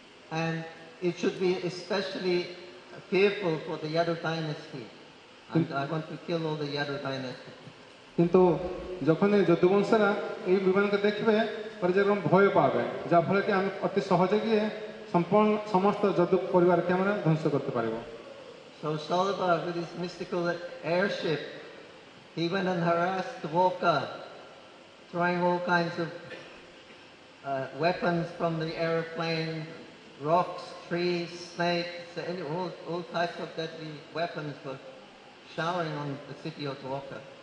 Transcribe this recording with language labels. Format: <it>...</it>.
<en>And it should be especially fearful for the Yadu dynasty. And I want to kill all the Yadu dynasty.</en> <bn>কিন্তু যখন এই যদুবংশরা এই বিমানকে দেখবে পর্যায়ক্রম ভয় পাবে, যার ফলে কি আমি অতি সহজে গিয়ে সম্পূর্ণ সমস্ত যদু পরিবারকে আমরা ধ্বংস করতে পারিব।</bn> <en>So Shalabha, with his mystical airship, he went and harassed the Dvorka, throwing all kinds of weapons from the airplane, rocks, trees, snakes, all types of deadly weapons were showering on the city of Dvorka.</en>